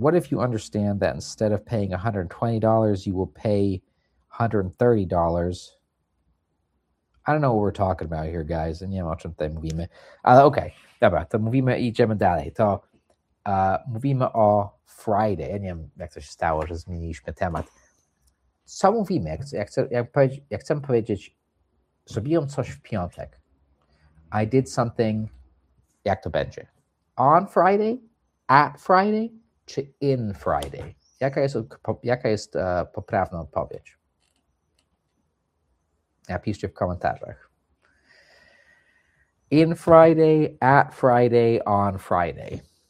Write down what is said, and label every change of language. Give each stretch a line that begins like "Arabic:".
English: What if you understand that instead of paying $120, you will pay $130? I don't know what we're talking about here, guys.
Polish: Nie wiem, o czym tutaj mówimy. Ale okej, dobra, to mówimy i idziemy dalej. To mówimy o Friday. Ja nie wiem, jak to się stało, że zmieniliśmy temat. Co mówimy? Jak chcemy powiedzieć Zrobiłem coś w piątek.
English: I did something,
Polish: jak to będzie?
English: On Friday? At Friday?
Polish: Czy
English: in Friday?
Polish: Jaka jest poprawna odpowiedź? Napiszcie w komentarzach.
English: In Friday, at Friday, on Friday.